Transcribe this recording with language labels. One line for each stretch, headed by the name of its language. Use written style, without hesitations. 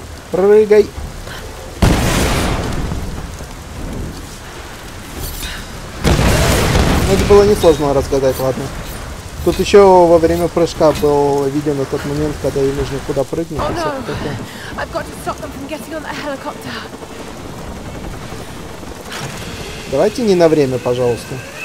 Russian: Прыгай. Ну, это было несложно разгадать, ладно. Тут еще во время прыжка был виден на тот момент, когда ей нужно куда прыгнуть.
English: Oh, no. I've got to stop them from getting on the helicopter.
Russian: Давайте не на время, пожалуйста.